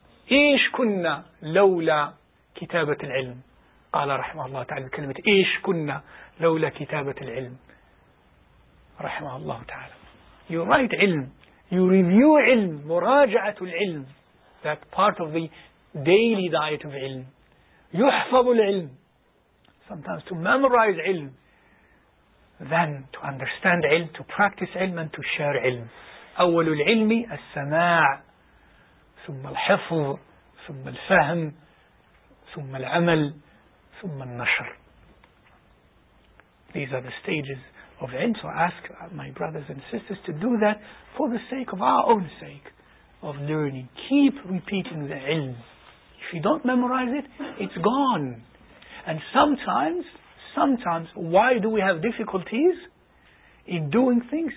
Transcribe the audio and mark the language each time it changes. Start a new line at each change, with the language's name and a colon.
Arabic: إِيش كُنَّا لَوْلَا كِتَابَةِ الْعِلْمِ قَالَ رَحْمَهُ اللَّهُ تَعَالَى بِكَلِمَةِ إِيش كُنَّا لَوْلَا كِتَابَةِ الْعِلْمِ رَحْمَهُ اللَّهُ تَعَالَى.
English: You write ilm. You review ilm, muraja'atul ilm, that part of the daily diet of ilm. Yuhfabul ilm, sometimes to memorize ilm. than to understand ilm, to practice ilm, and to share ilm.
Arabic: أول العلم السماع ثم الحفظ ثم الفهم ثم العمل ثم النشر.
English: These are the stages of ilm. So ask my brothers and sisters to do that for the sake of our own sake of learning. Keep repeating the ilm. If you don't memorize it, it's gone. And sometimes, why do we have difficulties in doing things?